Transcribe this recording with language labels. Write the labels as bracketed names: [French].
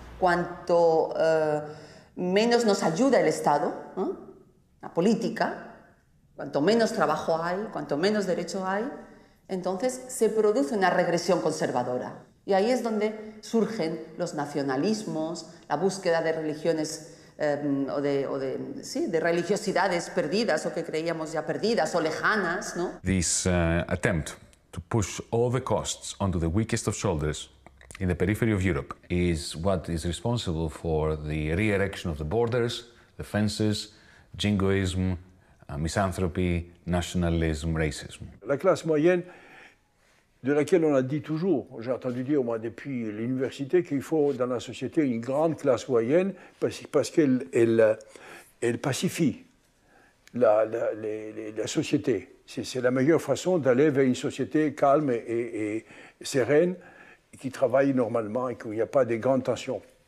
[Spanish] Cuanto menos nos ayuda el Estado, la política, cuanto menos trabajo hay, cuanto menos derecho hay, entonces se produce una regresión conservadora. Y ahí es donde surgen los nacionalismos, la búsqueda de religiones de religiosidades perdidas o que creíamos ya perdidas o lejanas, ¿no? [English] This attempt to push all the costs onto the weakest of shoulders in the periphery of Europe is what is responsible for the re-erection of the borders, the fences, jingoism, misanthropy, nationalism, racism. [French] La classe moyenne, de laquelle on a dit toujours, j'ai entendu dire moi depuis l'université, qu'il faut dans la société une grande classe moyenne parce qu'elle elle pacifie la société. C'est la meilleure façon d'aller vers une société calme et sereine qui travaille normalement et qu'il n'y a pas de grandes tensions.